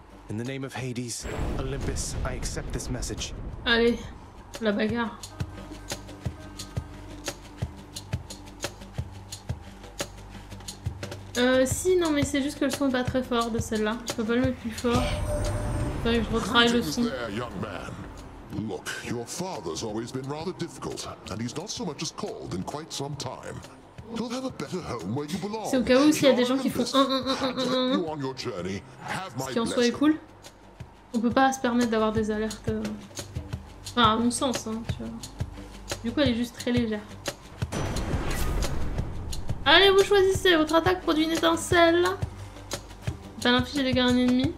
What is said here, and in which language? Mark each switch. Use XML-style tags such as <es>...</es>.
<en>In the name of Hades, Olympus, I accept this message.</en> <fr>Allez, la bagarre. Si, non, mais c'est juste que le son est pas très fort de celle-là. Je peux pas le mettre plus fort. Enfin, je retravaille le son.</fr> <en>There, young man. Look, your father's always been rather difficult, and he's not so much as called in quite some time. You'll have a better home where you belong.</en> <fr>C'est au cas où s'il y a des gens qui font un. Ce qui en soit est cool. On peut pas se permettre d'avoir des alertes. Enfin, à mon sens, hein, tu vois. Du coup, elle est juste très légère. Allez, vous choisissez. Votre attaque produit une étincelle. Vous infligez des dégâts à un ennemi.</fr>